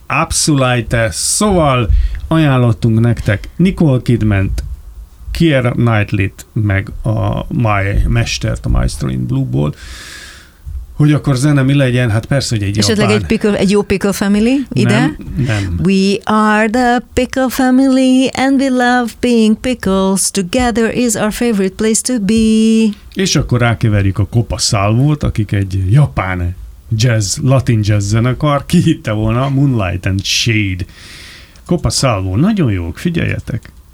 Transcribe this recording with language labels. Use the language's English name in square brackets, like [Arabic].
[Hungarian] Abszolájte! Szóval ajánlottunk nektek Nicole Kidment, Keira Knightley-t, meg a mestert a Maestro in Blue-ból. hogy akkor zene mi legyen, hát persze, hogy egy esetleg japán. Egy jó Pickle Family ide? Nem. [English] We are the Pickle Family and we love being pickles. Together is our favorite place to be. [Hungarian] És akkor rákeverjük a Kopa Salvót, akik egy japán jazz, latin jazz zenekar, ki hitte volna Moonlight and Shade. Kopa Salvó, nagyon jók, figyeljetek!